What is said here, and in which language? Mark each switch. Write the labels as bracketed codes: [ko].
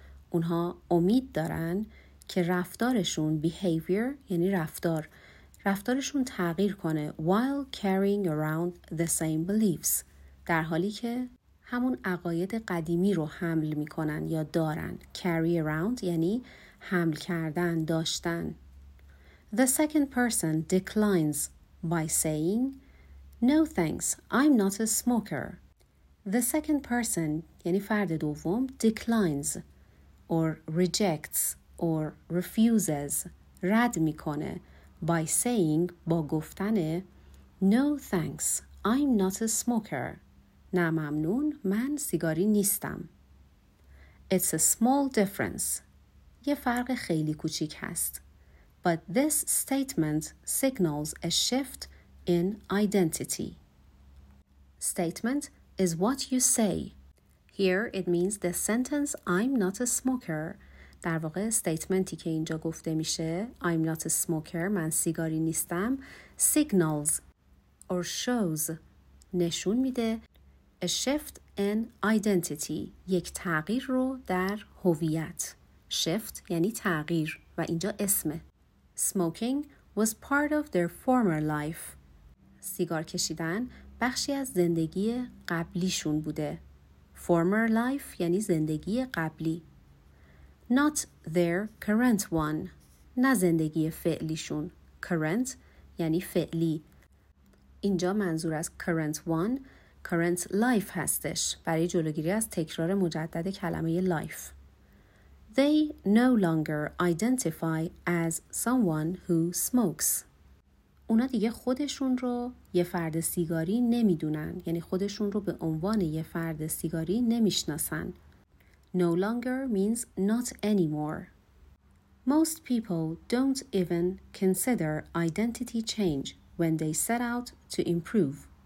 [fa] اونها امید دارن که رفتارشون [en] behavior [fa] یعنی رفتار رفتارشون تغییر کنه [en] while carrying around the same beliefs [fa] در حالی که همون عقاید قدیمی رو حمل میکنن یا دارن [en] carry around [fa] یعنی حمل کردن داشتن. [en] The second person declines by saying No thanks, I'm not a smoker. The second person [fa] یعنی فرد دوم [en] declines or rejects or refuses [fa] رد میکنه [en] by saying [fa] با گفتن [en] No thanks, I'm not a smoker. [fa] نه ممنون من سیگاری نیستم. [en] It's a small difference. [fa] یه فرق خیلی کوچیک هست. [en] But this statement signals a shift in identity. Statement is what you say. Here it means the sentence I'm not a smoker. [fa] در واقع statementی که اینجا گفته میشه [en] I'm not a smoker, [fa] من سیگاری نیستم [en] signals or shows [fa] نشون میده [en] a shift in identity [fa] یک تغییر رو در هویت. [en] Shift [fa] یعنی تغییر و اینجا اسمه. [en] Smoking was part of their former life. [fa] سیگار کشیدن بخشی از زندگی قبلیشون بوده. [en] Former life [fa] یعنی زندگی قبلی. [en] Not their current one. [fa] نه زندگی فعلیشون. Current یعنی فعلی. اینجا منظور از [en] current one current life [fa] هستش برای جلوگیری از تکرار مجدد کلمه life. [en] They no longer identify as someone who smokes. [fa] اونا دیگه خودشون رو یه فرد سیگاری نمیدونن. یعنی خودشون رو به عنوان یه فرد سیگاری نمیشناسن. [en] No longer means not anymore. Most people don't even consider identity change when they set out to improve.